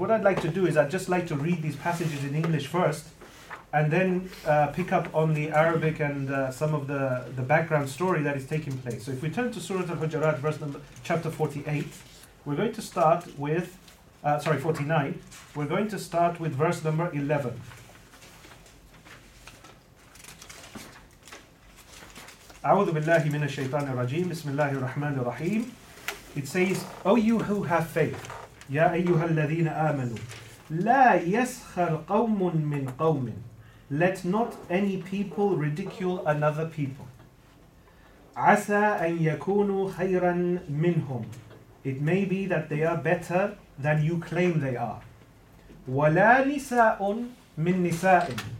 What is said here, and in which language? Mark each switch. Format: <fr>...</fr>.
<en>What I'd like to do is I'd just like to read these passages in English first, and then pick up on the Arabic and some of the background story that is taking place. So if we turn to Surah Al-Hujarat, verse number chapter 48, we're going to start with, 49, we're going to start with verse number 11.</en> <ar>أعوذ بالله من الشيطان الرجيم بسم الله الرحمن الرحيم.</ar> <en>It says, O you who have faith,</en> <ar>يا أيها الذين آمنوا لا يسخر قوم من قوم.</ar> <en>Let not any people ridicule another people.</en> <ar>عسى أن يكونوا خيرا منهم.</ar> <en>It may be that they are better than you claim they are.</en> <ar>ولا نساء من نساء.</ar>